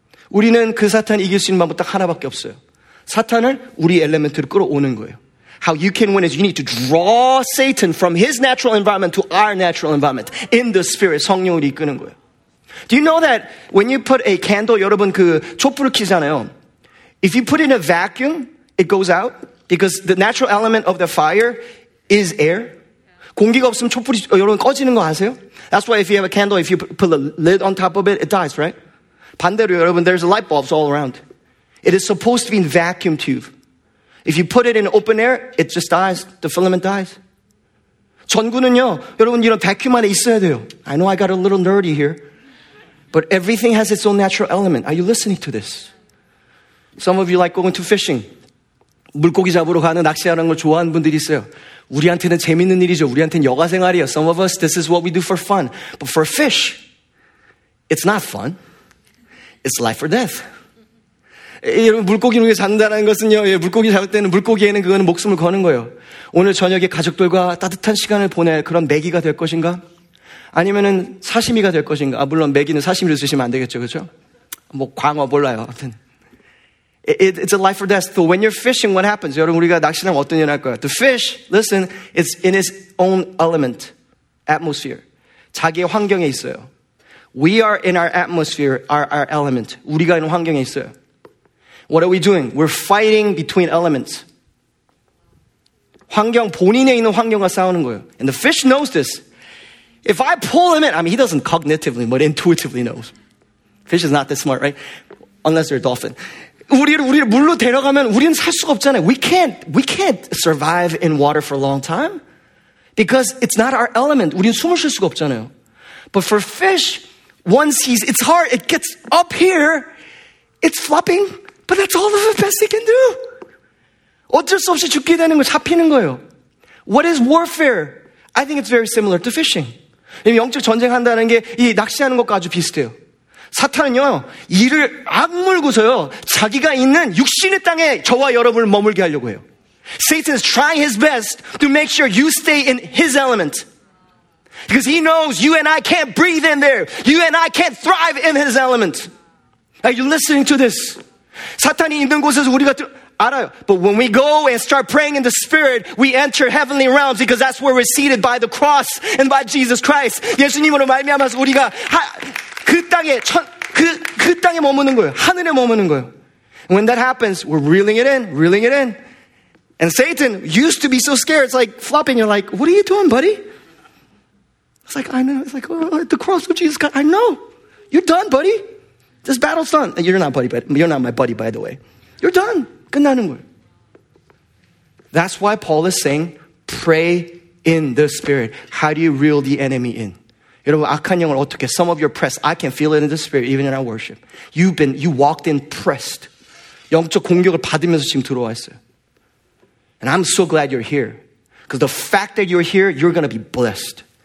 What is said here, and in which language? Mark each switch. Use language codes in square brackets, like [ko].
[ko] 우리는 그 사탄 이길 수 있는 방법 딱 하나밖에 없어요. 사탄을 우리 엘레멘트로 끌어오는 거예요. [en] How you can win is you need to draw Satan from his natural environment to our natural environment in the spirit, [ko] 성령을 이끄는 거예요. [en] Do you know that when you put a candle, [ko] 여러분 그 촛불을 켜잖아요. [en] If you put in a vacuum, it goes out because the natural element of the fire is air. [ko] 공기가 없으면 촛불이 여러분 꺼지는 거 아세요? [en] That's why if you have a candle, if you put a lid on top of it, it dies, right? [ko] 반대로 여러분, [en] there's light bulbs all around. It is supposed to be in vacuum tube. If you put it in open air, it just dies. The filament dies. [ko] 전구는요, 여러분 이런 vacuum 안에 있어야 돼요. [en] I know I got a little nerdy here. But everything has its own natural element. Are you listening to this? Some of you like going to fishing. [ko] 물고기 잡으러 가는 낚시하는 걸 좋아하는 분들이 있어요. 우리한테는 재밌는 일이죠. 우리한테는 여가생활이에요. [en] Some of us, this is what we do for fun. But for fish, it's not fun. It's life or death. [ko] 여러분, 물고기를 위해서 잡는다는 것은요. 예, 물고기 잡을 때는 물고기에는 그거는 목숨을 거는 거예요. 오늘 저녁에 가족들과 따뜻한 시간을 보낼 그런 메기가 될 것인가? 아니면은 사시미가 될 것인가? 아, 물론 메기는 사시미를 쓰시면 안 되겠죠, 그렇죠? 뭐 광어 몰라요. 아무튼. [en] It's a life or death. So when you're fishing, what happens? [ko] 여러분, 우리가 낚시하면 어떤 일 할 거야? [en] The fish, listen, it's in its own element, atmosphere. [ko] 자기의 환경에 있어요. [en] We are in our atmosphere, our element. [ko] 우리가 있는 환경에 있어요. [en] What are we doing? We're fighting between elements. [ko] 환경, 본인에 있는 환경과 싸우는 거예요. [en] And the fish knows this. If I pull him in, I mean, he doesn't cognitively, but intuitively knows. Fish is not that smart, right? Unless they're a dolphin. [ko] 우리를 물로 데려가면 우리는 살 수가 없잖아요. [en] We can't survive in water for a long time because it's not our element. [ko] 우리는 숨을 쉴 수가 없잖아요. [en] But for fish, once he's, it's hard, it gets up here, it's flopping, but that's all the best he can do. [ko] 어쩔 수 없이 죽게 되는 거, 잡히는 거예요. [en] What is warfare? I think it's very similar to fishing. [ko] 영적 전쟁한다는 게 이 낚시하는 것과 아주 비슷해요. 사탄은요, 이를 악물고서요, 자기가 있는 육신의 땅에 저와 여러분을 머물게 하려고 해요. [en] Satan is trying his best to make sure you stay in his element. Because he knows you and I can't breathe in there. You and I can't thrive in his element. Are you listening to this? [ko] 사탄이 있는 곳에서 우리가 알아요. [en] But when we go and start praying in the spirit, we enter heavenly realms because that's where we're seated by the cross and by Jesus Christ. [ko] 예수님으로 말미암아서 우리가 그 땅에 머무는 거예요. 하늘에 머무는 거예요. [en] And when that happens, we're reeling it in. And Satan used to be so scared. It's like flopping. You're like, what are you doing, buddy? It's like, I know. It's like, oh, the cross of Jesus Christ. I know. You're done, buddy. This battle's done. You're not buddy, but you're not my buddy, by the way. You're done. [ko] 끝나는 거예요. [en] That's why Paul is saying, pray in the spirit. How do you reel the enemy in? [ko] 여러분, 악한 영을 어떻게, [en] some of your press, I can feel it in the spirit, even in our worship. You walked in pressed. [ko] 영적 공격을 받으면서 지금 들어와 있어요. [en] And I'm so glad you're here. Because the fact that you're here, you're going to be blessed.